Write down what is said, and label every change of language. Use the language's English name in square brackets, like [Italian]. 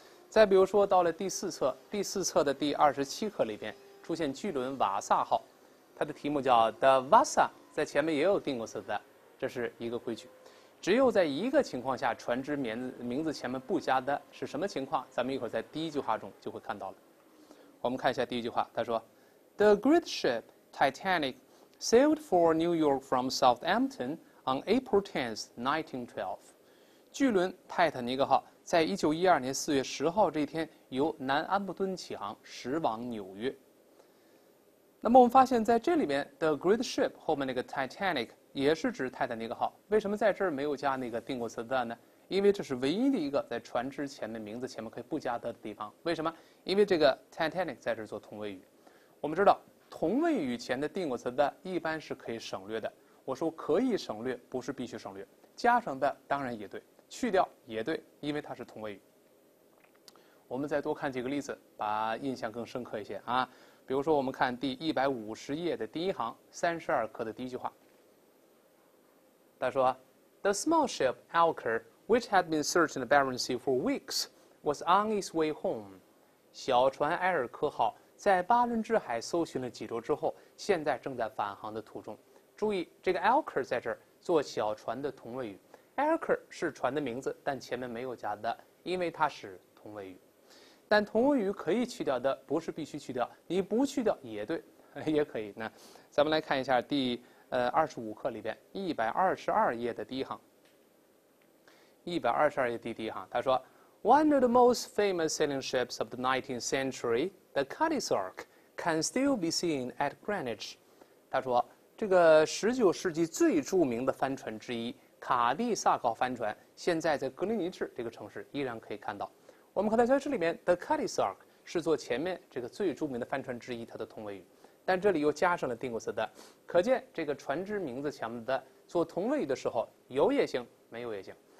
[Chinese] 再比如说，到了第4册的第27课里边，出现巨轮瓦萨号，它的题目叫 "The Vasa"，在前面也有定冠词 the，这是一个规矩。只有在一个情况下，船只名字前面不加 the，是什么情况？咱们一会儿在第一句话中就会看到了。我们看一下第一句话，他说。 [English] The great ship Titanic sailed for New York from Southampton on April 10th, 1912. [Chinese] 巨轮泰坦尼克号在1912年4月10号这一天由南安普敦起航，驶往纽约。那么我们发现，在这里面 ， [English] the great ship [Chinese] 后面那个 Titanic 也是指泰坦尼克号。为什么在这儿没有加那个定冠词 the 呢？因为这是唯一的一个在船只前面名字前面可以不加 the 的地方。为什么？因为这个 Titanic 在这儿做同位语。我们知道，同位语前的定冠词 the 一般是可以省略的。我说可以省略，不是必须省略。加上 the 当然也对，去掉也对，因为它是同位语。我们再多看几个例子，把印象更深刻一些啊。比如说，我们看第150页的第1行，32课的第1句话，他说： [English] “The small ship Elker, which had been searching the Barren Sea for weeks, was on its way home。” [Chinese] 小船埃尔科号。在巴伦支海搜寻了几周之后，现在正在返航的途中。注意，这个 Elker 在这儿做小船的同位语。 Elker 是船的名字，但前面没有加 the， 因为它是同位语。但同位语可以去掉 the， 不是必须去掉。你不去掉也对，也可以。那咱们来看一下第25课里边122页的第1行。 122页第1行，他说： [English] “One of the most famous sailing ships of the 19th century。” The Cadiz Ark can still be seen at Greenwich. [Chinese] 他说，这个19世纪最著名的帆船之一卡蒂萨克号帆船，现在在格林尼治这个城市依然可以看到。我们看到在这里面 ，The Cadiz Ark 是做前面这个最著名的帆船之一它的同位语，但这里又加上了定冠词 the， 可见这个船只名字前面的做同位语的时候有也行，没有也行。